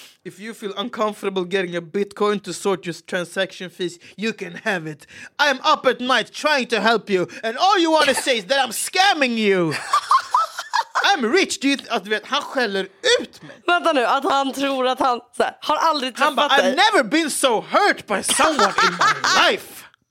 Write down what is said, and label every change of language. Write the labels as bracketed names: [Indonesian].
[English] If you feel uncomfortable getting a bitcoin to sort your transaction fees, you can have it. I am up at night trying to help you, and all you want to say is that I'm scamming you. I'm rich, do you [Swedish] att du vet, han skäller ut mig. Vänta nu, att han tror att han så här, har aldrig träffat dig. [English] I've never been so hurt by someone in my life.